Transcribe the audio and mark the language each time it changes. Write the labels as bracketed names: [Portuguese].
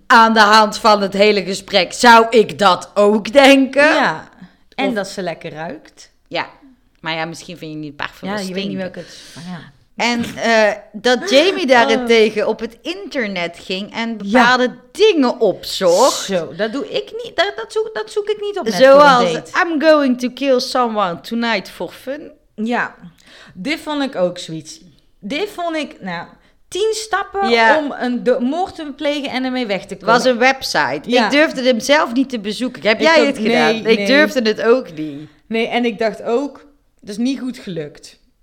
[Dutch] Aan de hand van het hele gesprek zou ik dat ook denken. Ja, en of, dat ze lekker ruikt. Ja. Maar ja, misschien vind je niet parfum ja, je stinken. Weet niet welke het... En dat Jamie daarentegen op het internet ging en bepaalde dingen opzocht. Zo, dat doe ik niet. Dat zoek ik niet op. Zoals, [English] I'm going to kill someone tonight for fun. [Dutch] Ja, dit vond ik ook zoiets. Dit vond ik, nou, 10 stappen om een moord te plegen en ermee weg te komen. Het was een website. Ja. Ik durfde hem zelf niet te bezoeken. Heb jij het gedaan? Nee, ik durfde het ook niet. Nee, en ik dacht ook... Dat is niet goed gelukt.